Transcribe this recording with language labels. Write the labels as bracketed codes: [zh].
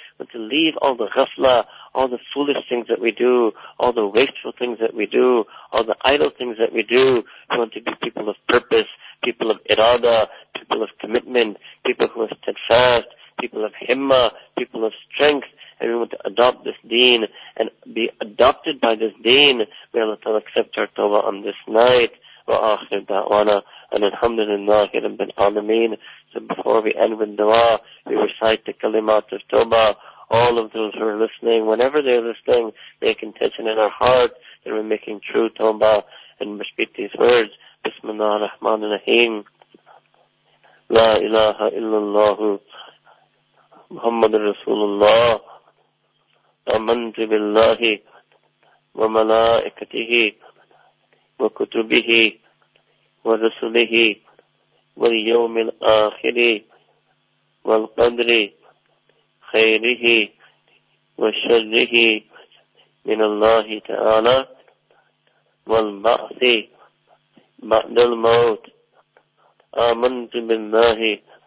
[en] We want to leave all the ghafla, all the foolish things that we do, all the wasteful things that we do, all the idle things that we do. We want to be people of purpose, people of irada, people of commitment, people who are steadfast, people of himma, people of strength. And we want to adopt this deen and be adopted by this deen. May Allah ta'ala accept our tawbah on this night. [ar] وآخر دعوانا أن الحمد لله رب العالمين. [en] So before we end with dua, we recite the kalimat of tawbah. All of those who are listening, whenever they're listening, make intention in our heart that we're making true tawbah and repeat these words. [ar] بسم الله الرحمن الرحيم لا إله إلا الله محمد رسول الله آمنت بالله وملائكته وكتبه ورسله واليوم الآخر والقدر خيره وشره من الله تعالى والبعث بعد الموت آمنت بالله